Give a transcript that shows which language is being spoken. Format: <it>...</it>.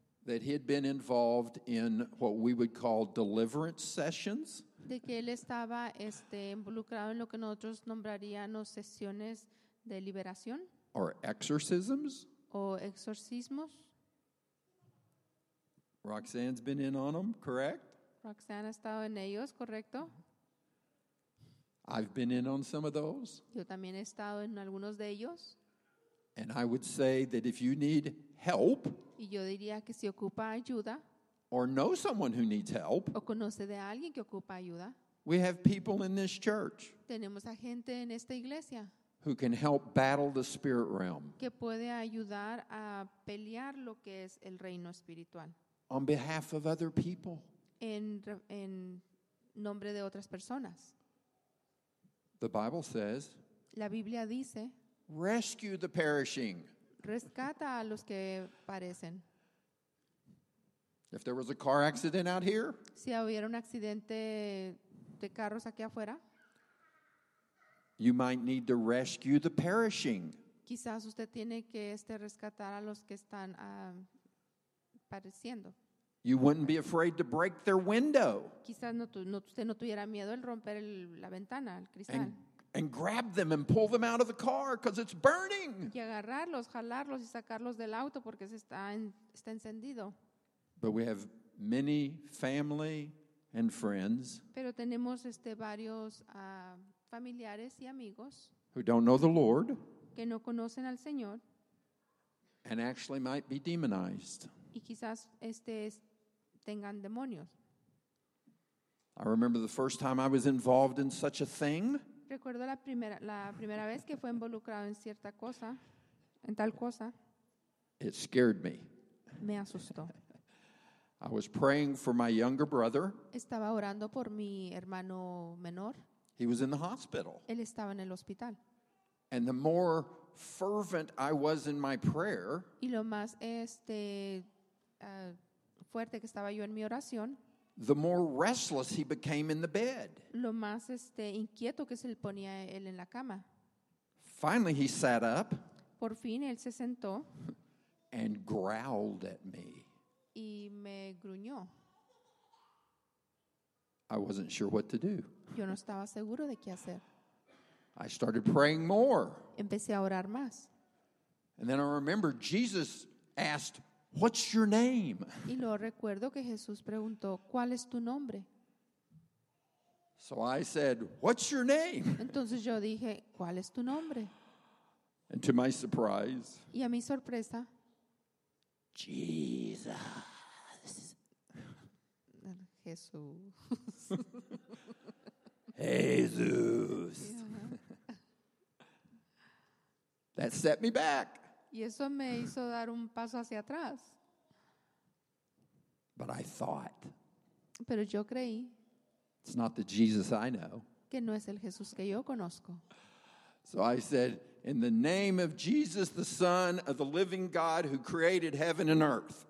<en>that he had been involved in what we would call deliverance sessions.</en> <es>De que él estaba involucrado en lo que nosotros nombraríamos sesiones de liberación.</es> <en>Or exorcisms.</en> <es>O exorcismos.</es> <en>Roxanne's been in on them, correct?</en> <es>Roxanne ha estado en ellos, correcto.</es> <en>I've been in on some of those.</en> <es>Yo también he estado en algunos de ellos.</es> <en>And I would say that if you need help,</en> <es>y yo diría que si ocupa ayuda,</es> <en>or know someone who needs help,</en> <es>o conoce de alguien que ocupa ayuda,</es> <en>we have people in this church,</en> <es>tenemos a gente en esta iglesia,</es> <en>who can help battle the spirit realm,</en> <es>que puede ayudar a pelear lo que es el reino espiritual,</es> <en>on behalf of other people,</en> <es>en nombre de otras personas.</es> <en>The Bible says,</en> <es>la Biblia dice,</es> <en>rescue the perishing.</en> <es>Rescata a los que parecen.</es> <en>If there was a car accident out here,</en> <es>si hubiera un accidente de carros aquí afuera,</es> <en>you might need to rescue the perishing.</en> <es>Quizás usted tiene que rescatar a los que están pereciendo.</es> <en>You wouldn't be afraid to break their window.</en> <es>Quizás usted no tuviera miedo el romper la ventana, el cristal.</es> <en>And grab them and pull them out of the car because it's burning.</en> <es>Y agarrarlos, jalarlos y sacarlos del auto porque está encendido.</es> <en>But we have many family and friends.</en> <es>Pero tenemos varios familiares y amigos</es> <en>who don't know the Lord.</en> <es>Que no conocen al Señor.</es> <en>And actually might be demonized.</en> <es>Y quizás tengan demonios.</es> <en>I remember the first time I was involved in such a thing.</en> <es>Recuerdo la primera vez que fue involucrado en cierta cosa, en tal cosa.</es> <en>It scared me.</en> <es>Me asustó.</es> <en>I was praying for my younger brother.</en> <es>Estaba orando por mi hermano menor.</es> <en>He was in the hospital.</en> <es>Él estaba en el hospital.</es> <en>And the more fervent I was in my prayer,</en> <es>y lo más fuerte que estaba yo en mi oración,</es> <en>the more restless he became in the bed.</en> <es>Lo más inquieto que se le ponía él en la cama.</es> <en>Finally he sat up.</en> <es>Por fin él se sentó.</es> <en>And growled at me.</en> <es>Y me gruñó.</es> <en>I wasn't sure what to do.</en> <es>Yo no estaba seguro de qué hacer.</es> <en>I started praying more.</en> <es>Empecé a orar más.</es> <en>And then I remember Jesus asked, what's your name?</en> <es>Y lo recuerdo que Jesús preguntó, ¿cuál es tu nombre?</es> <en>So I said, what's your name?</en> <es>Entonces yo dije, ¿cuál es tu nombre?</es> <en>And to my surprise,</en> <es>y a mi sorpresa,</es> <en>Jesus.</en> <es>Jesús. Jesús.</es> <en>That set me back.</en> <es>Y eso me hizo dar un paso hacia atrás.</es> <en>But I thought,</en> <es>pero yo creí,</es> <en>it's not the Jesus I know,</en> <es>que no es el Jesús que yo conozco.</es> <en>So I said, in the name of Jesus, the Son of the living God who created heaven and earth.</en>